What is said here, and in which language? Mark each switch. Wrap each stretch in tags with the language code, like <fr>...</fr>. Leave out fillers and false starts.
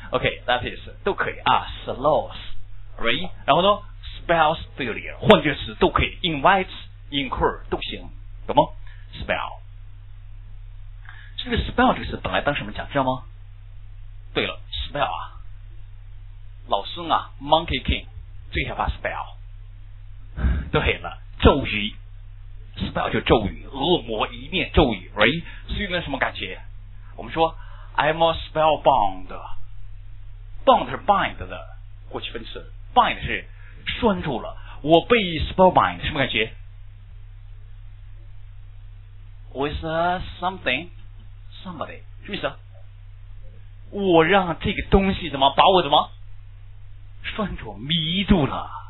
<en>OK， that is</en> <zh>都可以啊 ，sloth， right？ 然后呢 ，spells failure， 换句词都可以 ，invites， incur 都行什么 spell？这个 spell 这个词本来当什么讲？知道吗？对了 ，spell 啊，老孙啊 ，Monkey King 最害怕 spell。对了，咒语 ，spell 就咒语，恶魔一念咒语 ，right？所以呢，什么感觉？</zh> <en>我们说 ，I'm a spellbound。</en> <zh>bound 是 bind 的过去分词 ，bind 是拴住了，我被 spellbind， 什么感觉 ？</zh> <en>With something, somebody，</en> <zh>什么意思？我让这个东西怎么把我怎么拴住、迷住了？</zh>